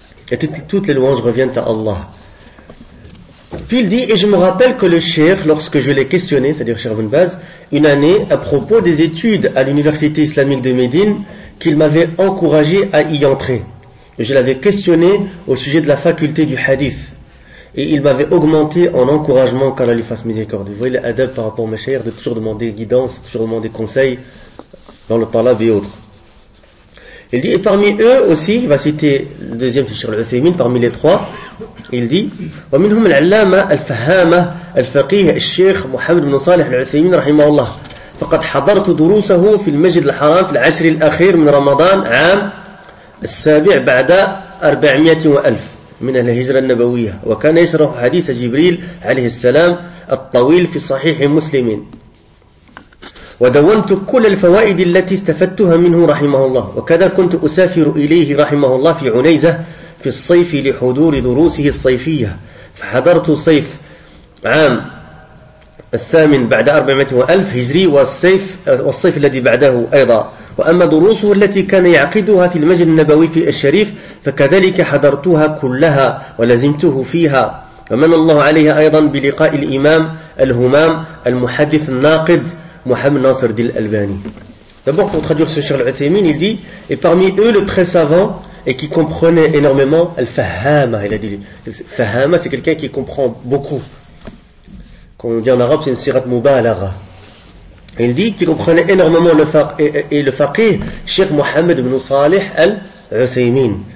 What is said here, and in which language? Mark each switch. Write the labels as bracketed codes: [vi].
[fr] Et toutes les louanges reviennent à Allah. Puis il dit, et je me rappelle que le Cheikh, lorsque je l'ai questionné, c'est-à-dire Cheikh Ibn Baz, une année à propos des études à l'université islamique de Médine, qu'il m'avait encouragé à y entrer. Et je l'avais questionné au sujet de la faculté du hadith. Et il m'avait augmenté en encouragement qu'Allah lui fasse miséricorde. Vous voyez l'adab par rapport au Cheikh de toujours demander guidance, toujours demander conseil dans le talab et autres. Il dit, et parmi eux aussi, il va citer le deuxième Cheikh Al-Uthaymeen, parmi les trois, il dit, [ar] « وَمِنْهُمْ الْعَلَّامَ الْفَهَامَ الْفَقِيهِ الشَّيْخ مُحَمَدْ بْنُ صَالِحِ الْعُثَيْمِينَ رَحِمَهُ اللَّهِ فَقَدْ حَضَرْتُ دُرُوسَهُ فِي الْمَجْدِ الْحَرَامِ فِي الْعَشْرِ الْأَخِيرِ مِنْ رَمَضَانِ عام السابع بعد 400,000 من الهجرة النبوية وكان يشرح حديث جبريل عليه السلام الطويل في صحيح مسلمين ودونت كل الفوائد التي استفدتها منه رحمه الله وكذا كنت أسافر إليه رحمه الله في عنيزة في الصيف لحضور دروسه الصيفية فحضرت صيف عام الثامن بعد 400,000 هجري والصيف الذي بعده أيضا وأما دروسه التي كان يعقدها في المسجد النبوي في الشريف فكذلك حضرتها كلها ولزمته فيها ومن الله عليه أيضا بلقاء الإمام الهمام المحدث الناقد محمد ناصر الدين الألباني. [fr] D'abord, pour traduire ce Cheikh Al-Uthaymeen, il dit, et parmi eux, le très savant, et qui comprenait énormément, Al-Fahama, il a dit. Fahama, c'est quelqu'un qui comprend beaucoup. Quand on dit en arabe, c'est une sirat mubalagha. Il dit qu'il comprenait énormément le faqih, Cheikh Mohammed ibn Salih Al-Uthaymeen.